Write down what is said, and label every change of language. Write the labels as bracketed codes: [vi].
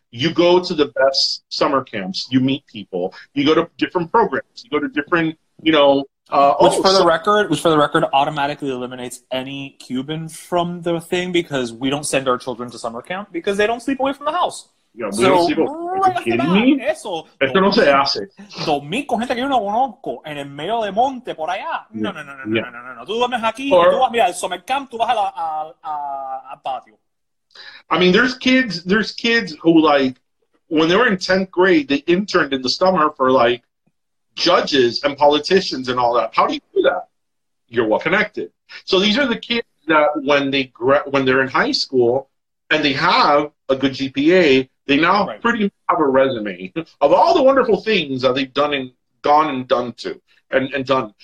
[en] You go to the best summer camps. You meet people. You go to different programs. You go to different, you know... Which, for the record, automatically eliminates any Cuban from the thing, because we don't send our children to summer camp because they don't sleep away from the house. Yeah, we don't sleep away. Are you kidding me? [es] Eso no se hace. Dormir con gente que yo no conozco en el medio de monte por allá. No. Tú duermes aquí. Mira, el summer camp, tú vas al patio. [en] I mean, there's kids who, like, when they were in 10th grade, they interned in the summer for, like, judges and politicians and all that. How do you do that? You're well connected. So these are the kids that when they're in high school and they have a good GPA, they now pretty much have a resume of all the wonderful things that they've done.